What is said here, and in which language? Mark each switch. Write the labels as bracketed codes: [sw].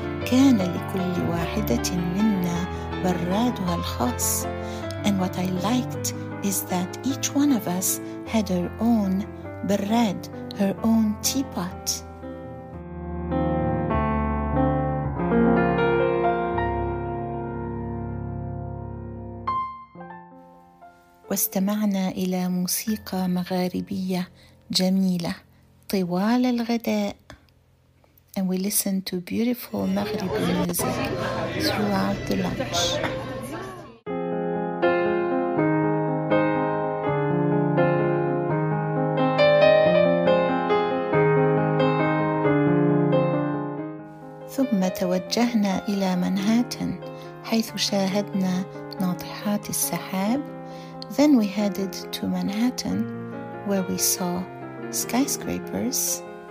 [ar] كان لكل واحدة منا برادها الخاص. [en] And what I liked is that each one of us had her own براد, her own teapot. [ar] واستمعنا إلى موسيقى مغاربية جميلة طوال الغداء. [en] And we listened to beautiful Maghribi music throughout the lunch. [ar] ثم توجهنا إلى مانهاتن حيث شاهدنا ناطحات السحاب. [en] Then we headed to Manhattan where we saw skyscrapers.